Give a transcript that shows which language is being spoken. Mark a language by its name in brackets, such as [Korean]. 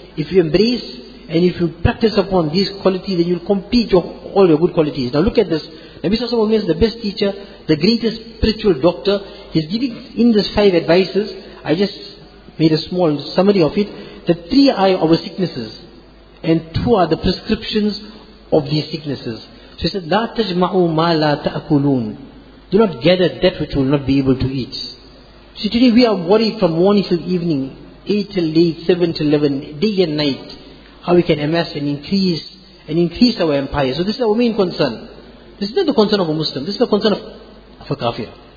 [English] If you embrace and if you practice upon these qualities, then you'll complete all your good qualities. Now look at this. Nabi Sallallahu Alaihi Wasallam is the best teacher, the greatest spiritual doctor. He's giving in these 5 advices. I just made a small summary of it. The 3 are our sicknesses. And 2 are the prescriptions of these sicknesses. So he said, [Arabic] لَا تَجْمَعُوا مَا لَا تَأْكُلُونَ. [English] Do not gather that which you will not be able to eat. See, today we are worried from morning till evening, 8 till late, 7 till 11, day and night, how we can amass and increase our empire. So this is our main concern. This is not the concern of a Muslim, this is the concern of a kafir.